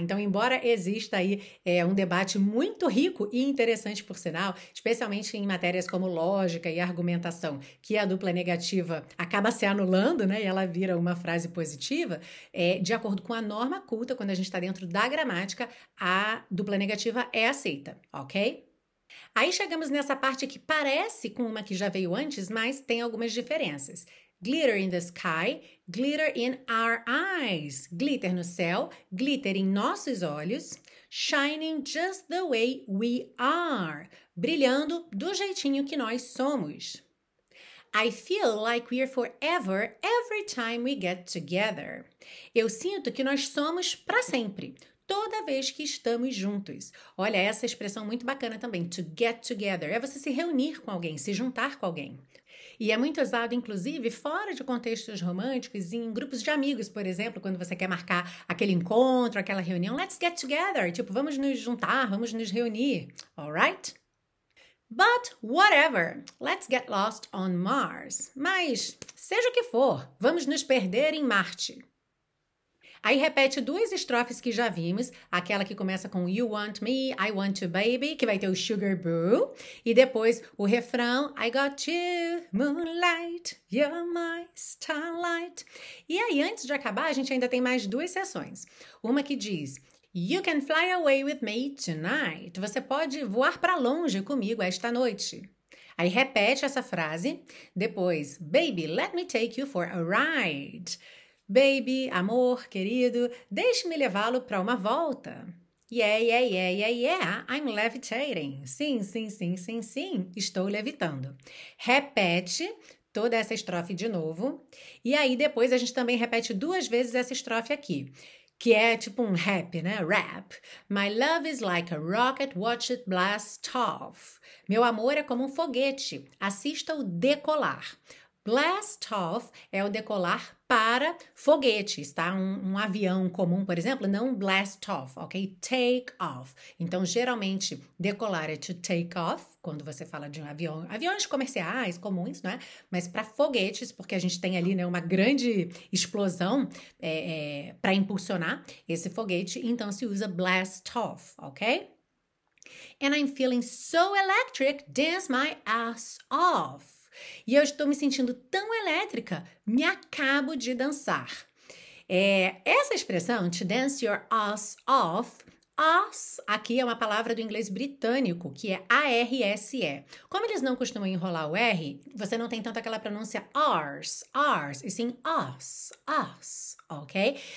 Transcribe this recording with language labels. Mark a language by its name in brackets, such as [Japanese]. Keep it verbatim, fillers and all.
[Portuguese] Então, embora exista aí é, um debate muito rico e interessante, por sinal, especialmente em matérias como lógica e argumentação, que a dupla negativa acaba se anulando, né? E ela vira uma frase positiva, é, de acordo com a norma culta, quando a gente está dentro da gramática, a dupla negativa é aceita, ok? Aí chegamos nessa parte que parece com uma que já veio antes, mas tem algumas diferenças. [English] Glitter in the sky, glitter in our eyes. [Portuguese] Glitter no céu, glitter em nossos olhos. [English] Shining just the way we are. [Portuguese] Brilhando do jeitinho que nós somos. [English] I feel like we're forever every time we get together. [Portuguese] Eu sinto que nós somos para sempre, toda vez que estamos juntos. Olha, essa expressão muito bacana também, to get together, é você se reunir com alguém, se juntar com alguém. E é muito usado, inclusive, fora de contextos românticos, em grupos de amigos, por exemplo, quando você quer marcar aquele encontro, aquela reunião, [English] let's get together, [Portuguese] tipo, vamos nos juntar, vamos nos reunir, alright? [English] But whatever, let's get lost on Mars. [Portuguese] Mas, seja o que for, vamos nos perder em Marte. Aí repete duas estrofes que já vimos, aquela que começa com [English] You Want Me, I Want You Baby, [Portuguese] que vai ter o Sugar Boo, e depois o refrão [English] I Got You, Moonlight, You're My Starlight. [Portuguese] E aí, antes de acabar, a gente ainda tem mais duas sessões. Uma que diz [English] You Can Fly Away With Me Tonight. [Portuguese] Você pode voar para longe comigo esta noite. Aí repete essa frase, depois [English] Baby, let me take you for a ride. [Portuguese] Baby, amor, querido, deixe-me levá-lo para uma volta. [English] Yeah, yeah, yeah, yeah, yeah, I'm levitating. [Portuguese] Sim, sim, sim, sim, sim, estou levitando. Repete toda essa estrofe de novo. E aí depois a gente também repete duas vezes essa estrofe aqui, que é tipo um rap, né? Rap. [English] My love is like a rocket, watch it blast off. [Portuguese] Meu amor é como um foguete, assista-o decolar. Blast off é o decolar para foguetes, tá? Um, um avião comum, por exemplo, não blast off, ok? Take off. Então, geralmente, decolar é to take off, quando você fala de um avião, aviões comerciais comuns, né? Mas para foguetes, porque a gente tem ali, né, uma grande explosão é, é, para impulsionar esse foguete, então se usa blast off, ok? [English] And I'm feeling so electric, dance my ass off. [Portuguese] E eu estou me sentindo tão elétrica, me acabo de dançar. É, essa expressão, to dance your ass off, ass aqui é uma palavra do inglês britânico, que é A R S E. Como eles não costumam enrolar o R, você não tem tanto aquela pronúncia ars, ars, e sim ass, ass, ok?